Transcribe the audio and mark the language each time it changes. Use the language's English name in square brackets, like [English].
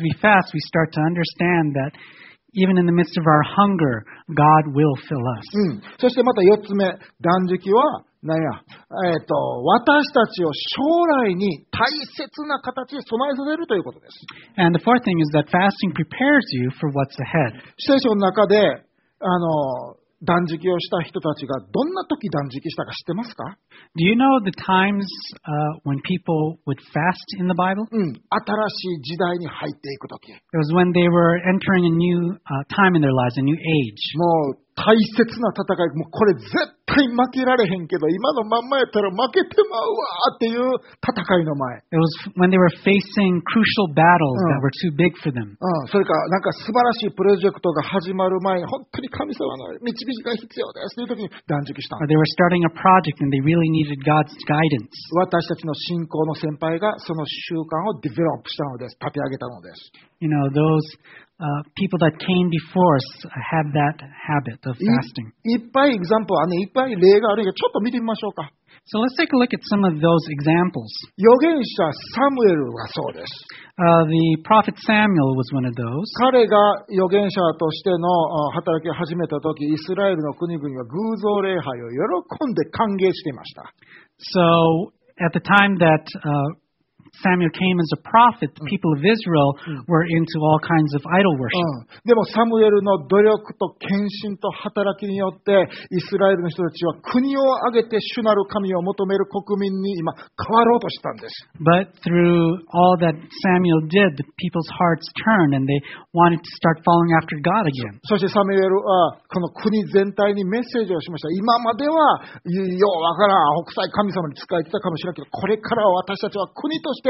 [English] we fast, we start to understand that even in the midst of our hunger, God will fill us. [Japanese] そしてまた4つ目、断食は何や、私たちを将来に大切な形で備えさせるということです。 [English] And the fourth thing is that fasting prepares you for what's ahead. [Japanese] 聖書の中で、断食をした人たちがどんな時断食したか知ってますか？ [English] Do you know the times, when people would fast in the Bible? [Japanese] 新しい時代に入っていく時。 [English] It was when they were entering a new, time in their lives, a new age. [Japanese] もう大切な戦い、もうこれ絶対負けられへんけど、今のまんまやったら負けてまうわっていう戦いの前。 [English] It was when they were facing crucial battles that were too big for them. [Japanese] それか、なんか素晴らしいプロジェクトが始まる前に、本当に神様の導きが必要ですっていう時に断食した。 [English] They were starting a project and they really needed God's guidance. [Japanese] 私たちの信仰の先輩がその習慣をディベロップしたのです。立て上げたのです。 [English] You know, those, people that came before us have that habit of fasting. [Japanese] いっぱい例があるけど、ちょっと見てみましょうか。 [English] So let's take a look at some of those examples. [Japanese] 預言者サムエルがそうです。 [English] The prophet Samuel was one of those. [Japanese] 彼が預言者としての働きを始めた時、イスラエルの国々は偶像礼拝を喜んで歓迎していました。 [English] So at the time that, Samuel came as a prophet, the people of Israel were into all kinds of idol worship. [Japanese] でもサムエルの努力と献身と働きによってイスラエルの人たちは国を挙げて主なる神を求める国民に今変わろうとしたんです。 [English] But through all that Samuel did, the people's hearts turned and they wanted to start following after God again. [Japanese] そしてサムエルはこの国全体にメッセージをしました。今まではよう分からん北斎神様に仕えてたかもしれないけど、これからは私たちは国と